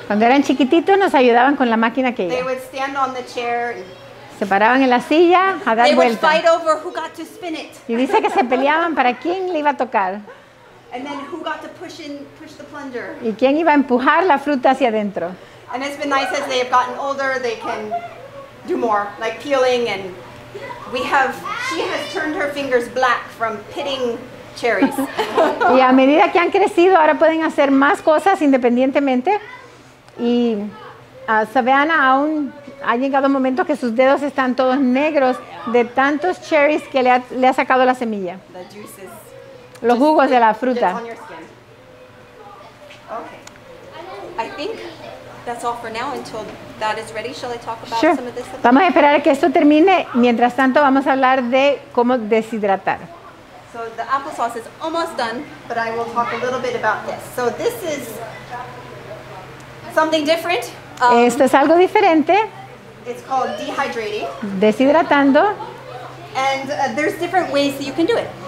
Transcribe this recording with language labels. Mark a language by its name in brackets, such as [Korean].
[Spanish] Cuando eran chiquititos, nos ayudaban con la máquina aquella. [English] They would stand on the chair. [Spanish] Se paraban en la silla a dar vuelta. [English] They would fight over who got to spin it. [Spanish] Y dice que se peleaban para quién le iba a tocar. [English] And then who got to push the plunger. [Spanish] Y quién iba a empujar la fruta hacia adentro. [English] And it's been nice as they have gotten older, they can do more, like peeling and... she has turned her fingers black from pitting cherries. [Spanish] Y a medida que han crecido, ahora pueden hacer más cosas independientemente. Y Savannah aún ha llegado un momento que sus dedos están todos negros de tantos cherries que le ha sacado la semilla. [English] The juices. [Spanish] Los jugos de la fruta. [English] Okay. I think that's all for now until that is ready. Shall I talk about some of this? Sure. [Spanish] Vamos a esperar a que esto termine. Mientras tanto, vamos a hablar de cómo deshidratar. [English] So the applesauce is almost done, but I will talk a little bit about this. So this is something different. [Spanish] Esto es algo diferente. [English] It's called dehydrating. [Spanish] Deshidratando. [English] And there's different ways that you can do it.